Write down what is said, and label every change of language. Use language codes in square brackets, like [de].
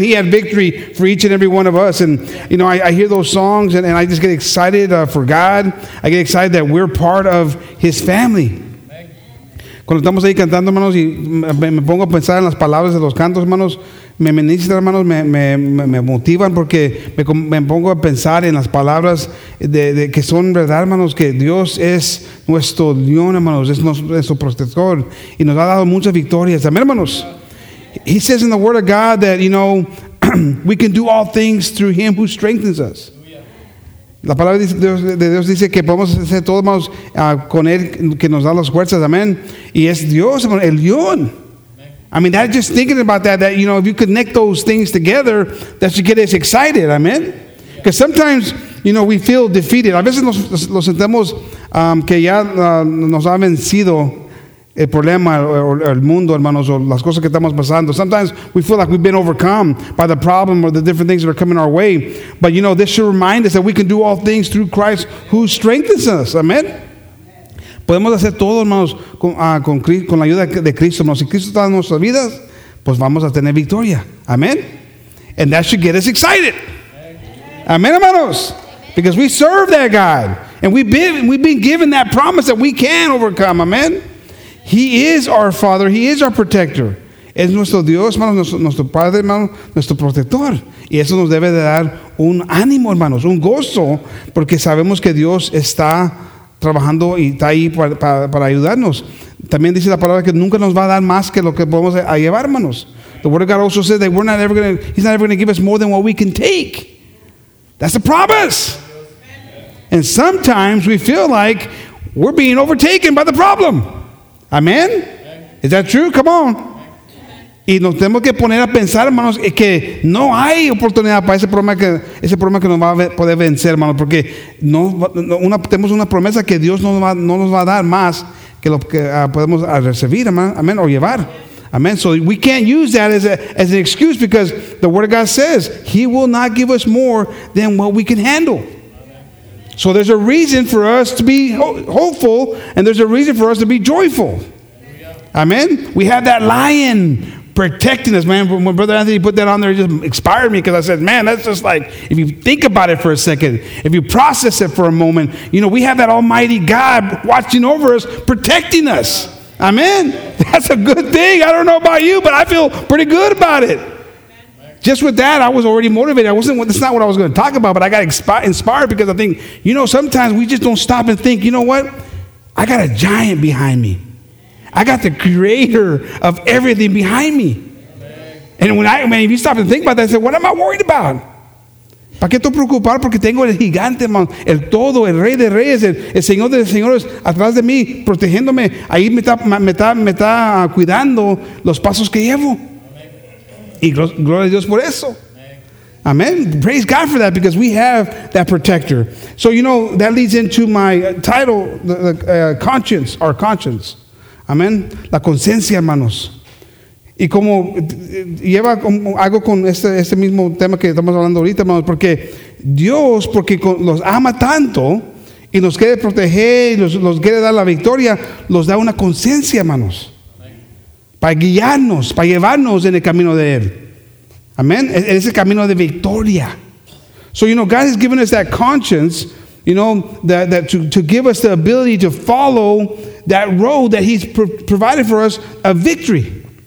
[en] He had victory for each and every one of us. And, you know, I hear those songs and I just get excited for God. I get excited that we're part of his family. [es] Cuando estamos ahí cantando, hermanos, y me pongo a pensar en las palabras de los cantos, hermanos, me ministran, hermanos, me motivan porque me pongo a pensar en las palabras de que son verdad, hermanos, que Dios es nuestro león, hermanos, es nuestro protector y nos ha dado muchas victorias. Amén, hermanos. [en] He says in the word of God that, you know, we can do all things through him who strengthens us. [es] La palabra de Dios dice que podemos hacer todo, hermanos, con él que nos da las fuerzas, amén. Y es Dios, hermanos, el león. [en] I mean, that just thinking about that you know, if you connect those things together, that should get us excited, amén. Because sometimes, you know, we feel defeated. [es] A veces nos sentemos que ya nos ha vencido el problema o el mundo, hermanos, o las cosas que estamos pasando. [en] Sometimes we feel like we've been overcome by the problem or the different things that are coming our way. But, you know, this should remind us that we can do all things through Christ who strengthens us. Amen. [es] Podemos hacer todo, hermanos, con la ayuda de Cristo. Si Cristo está en nuestras vidas, pues vamos a tener victoria. [en] Amen. And that should get us excited. Amen, hermanos. Because we serve that God. And we've been given that promise that we can overcome. Amen. He is our Father. He is our protector. [es] Es nuestro Dios, hermanos, nuestro Padre, hermanos, nuestro protector. Y eso nos debe de dar un ánimo, hermanos, un gozo, porque sabemos que Dios está trabajando y está ahí para ayudarnos. También dice la palabra que nunca nos va a dar más que lo que podemos a llevar, hermanos. [en] The word of God also says that he's not ever going to give us more than what we can take. That's a promise. And sometimes we feel like we're being overtaken by the problem. Amen. Is that true? Come on. [es] Y nos tenemos que poner a pensar, hermanos, que no hay oportunidad para ese problema que nos va a poder vencer, hermanos, porque tenemos una promesa que Dios no nos va a dar más que lo que podemos recibir, amén, o llevar. [en] Amen. So we can't use that as an excuse because the word of God says he will not give us more than what we can handle. So there's a reason for us to be hopeful, and there's a reason for us to be joyful. Amen? We have that Lion protecting us, man. When Brother Anthony put that on there, it just inspired me because I said, man, that's just like, if you think about it for a second, if you process it for a moment, you know, we have that Almighty God watching over us, protecting us. Amen? That's a good thing. I don't know about you, but I feel pretty good about it. Just with that, I was already motivated. That's not what I was going to talk about, but I got inspired because I think, you know, sometimes we just don't stop and think, you know what? I got a giant behind me. I got the creator of everything behind me. And if you stop and think about that, I said, what am I worried about? [es] ¿Para qué te preocupar? Porque tengo el gigante, el todo, el rey de reyes, el señor de señores, atrás de mí, protegiéndome. Ahí me está cuidando los pasos que llevo. Y gloria a Dios por eso. Amen. [en] Praise God for that, because we have that protector. So, you know, that leads into my title, conscience, our conscience. [es] Amen. La conciencia, hermanos. Y como lleva algo con este mismo tema que estamos hablando ahorita, hermanos, porque Dios, porque los ama tanto y nos quiere proteger y los quiere dar la victoria, los da una conciencia, hermanos, para guiarnos, para llevarnos en el camino de Él. Amén. En ese camino de victoria. [en] So, you know, God has given us that conscience, you know, that to give us the ability to follow that road that He's provided for us, a victory.